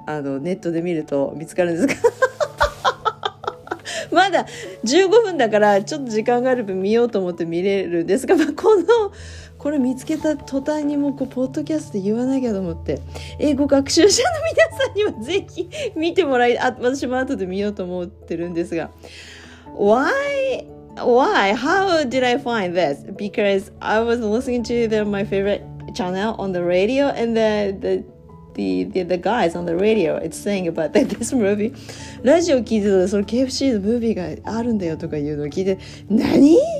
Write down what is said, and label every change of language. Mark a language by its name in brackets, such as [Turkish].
[Japanese] あのネットで見ると見つかるんですが、まだ15分だからちょっと時間がある分見ようと思って見れるんですが、まあ、これ見つけた途端にもポッドキャストで言わなきゃと思って、英語学習者の皆さんにはぜひ見てもらい、あ、私も後で見ようと思ってるんですが、 [English] Why? How did I find this? Because I was listening to my favorite channel on the radio, and the guys on the radio it's saying about that this movie. [Japanese] ラジオ聞いてたら、その KFC のムービーがあるんだよとかいうのを聞いて、何？